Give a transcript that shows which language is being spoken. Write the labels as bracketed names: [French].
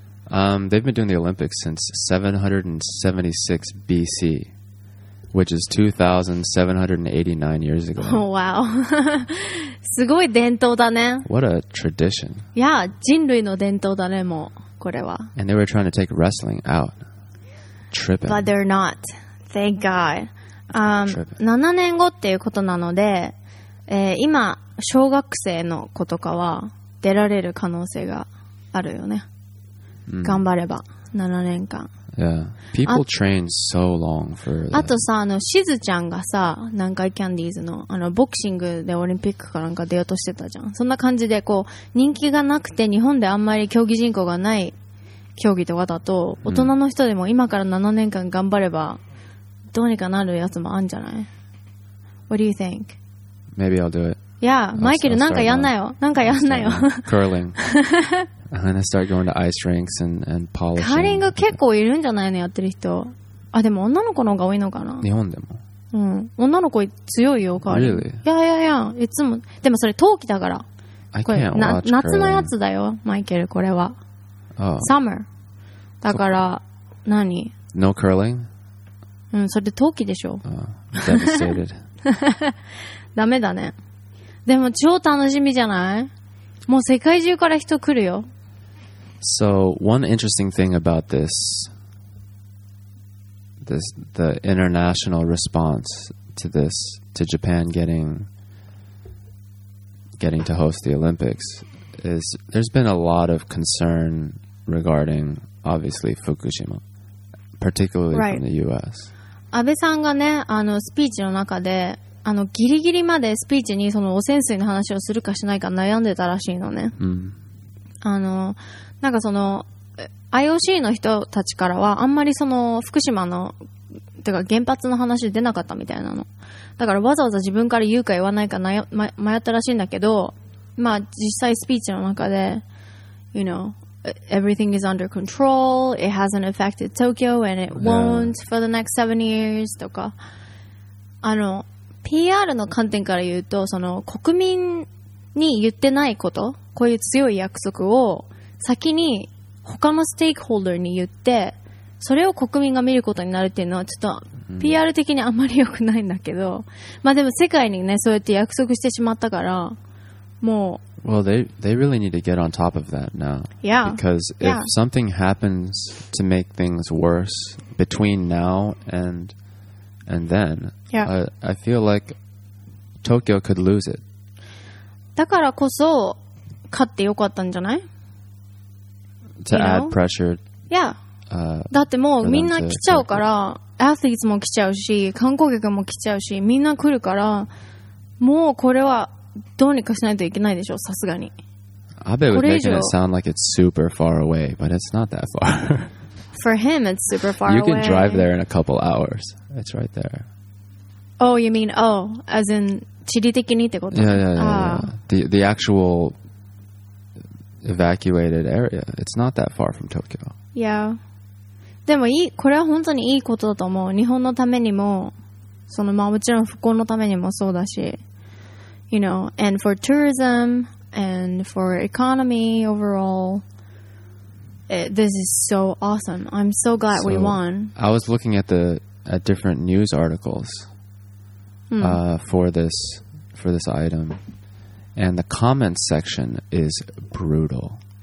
[English] They've been doing the Olympics since 776 BC, which is 2,789 years ago. [Japanese] Oh, wow. すごい伝統だね。 [English] What a tradition. [Japanese] Yeah, 人類の伝統だね、もうこれは。 [English] And they were trying to take wrestling out. Tripping. But they're not. Thank God. [Japanese] 7年後っていうことなので、今小学生の子とかは出られる可能性があるよね、頑張れば7年間。 [English] Yeah. People train so long for that. [Japanese] あとさ、しずちゃんがさ、南海キャンディーズ のボクシングでオリンピックかなんか出ようとしてたじゃん。そんな感じでこう人気がなくて日本であんまり競技人口がない競技とかだと、大人の人でも今から7年間頑張ればどうにかなるやつもあんじゃない。 [English] What do you think? Maybe I'll do it. [Japanese] Yeah, Michael, なんかやんなよ。なんかやんなよ。 [English] Curling. I'm gonna start going to ice rinks and polishing. [Japanese] カーリング結構いるんじゃないの、やってる人。あ、でも女の子の方が多いのかな。日本でも。うん。女の子強いよ、カーリング。 [English] Really? [Japanese] Yeah, yeah, yeah. いつも。でもそれ冬季だから。 [English] I can't watch curling. [Japanese] 夏のやつだよ、Michael、これは。 [English] Oh. [Japanese] Summer. だから、何？ [English] No curling? [Japanese] うん、それで冬季でしょ。 [English] Devastated. [Japanese] ダメだね。でも超楽しみじゃない？もう世界中から人来るよ。 [English] So, one interesting thing about this, the international response to this, to Japan getting to host the Olympics, is there's been a lot of concern regarding, obviously, Fukushima, particularly from the U.S. [Japanese] 安倍さんがね、スピーチの中で、ギリギリまでスピーチにその汚染水の話をするかしないか悩んでたらしいのね。うん、なんかその IOC の人たちからはあんまりその福島のてか原発の話出なかったみたいなの。だからわざわざ自分から言うか言わないか迷ったらしいんだけど、まあ実際スピーチの中で、you know。 [English] Everything is under control. It hasn't affected Tokyo, and it won't for the next 7 years. [Japanese] とか、PR の観点から言うと、その国民に言ってないこと、こういう強い約束を先に他のステークホルダーに言って、それを国民が見ることになるっていうのはちょっと PR 的にあんまり良くないんだけど、まあでも世界にねそうやって約束してしまったから、もう。 [English] Well, they really need to get on top of that now. Yeah. Because if something happens to make things worse between now and then, I feel like Tokyo could lose it. [Japanese] だからこそ勝ってよかったんじゃない？ [English] To add pressure. Yeah. [Japanese] だってもうみんな来ちゃうから、アスリートも来ちゃうし、観光客も来ちゃうし、みんな来るから、もうこれは。どうにかしないといけないでしょ、さすがに。 [English] アベ would make it sound like it's super far away, but it's not that far. For him, it's super far away. You can drive there in a couple hours. It's right there. Oh, you mean, oh, as in, [Japanese] 地理的にってこと？ [English] Yeah. The actual evacuated area, it's not that far from Tokyo. Yeah. [Japanese] でもいい、これは本当にいいことだと思う。日本のためにも、そのまあもちろん復興のためにもそうだし、 [English] you know, and for tourism and for economy overall, this is so awesome. I'm so glad we won. I was looking at different news articles for this item, and the comments section is brutal.